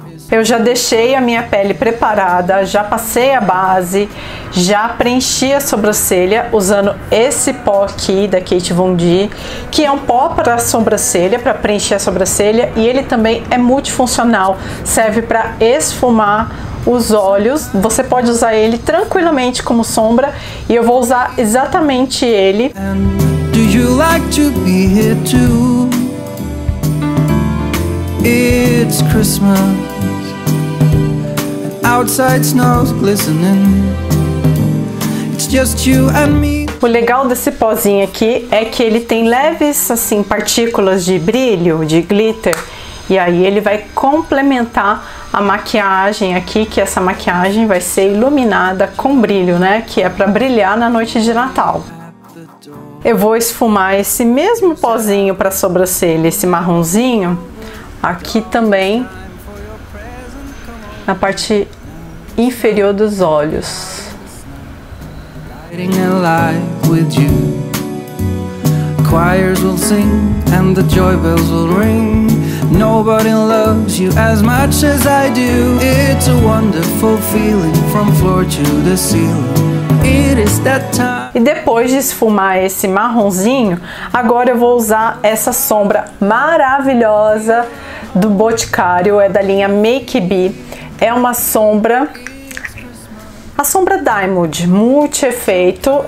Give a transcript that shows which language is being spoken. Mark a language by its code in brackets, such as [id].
[pt] Eu já deixei a minha pele preparada, já passei a base, já preenchi a sobrancelha usando esse pó aqui da Kate Von D, que é um pó para sobrancelha, para preencher a sobrancelha, e ele também é multifuncional, serve para esfumar os olhos. Você pode usar ele tranquilamente como sombra e eu vou usar exatamente ele. [en] Do you like to be here too? It's Christmas. Outside snow's glistening. It's just you and me. [pt] O legal desse pozinho aqui é que ele tem leves assim partículas de brilho, de glitter, e aí ele vai complementar a maquiagem aqui, que essa maquiagem vai ser iluminada com brilho, né, que é para brilhar na noite de Natal. Eu vou esfumar esse mesmo pozinho para sobrancelha, esse marronzinho, aqui também na parte inferior dos olhos. [en] Lighting a light with you. Choirs will sing and the joy bells will ring. Nobody loves you as much as I do. It's a wonderful feeling from floor to the ceiling. It is that time. [pt] E depois de esfumar esse marronzinho, agora eu vou usar essa sombra maravilhosa do Boticário, é da linha Make B. É uma sombra, a sombra Diamond, multi-efeito.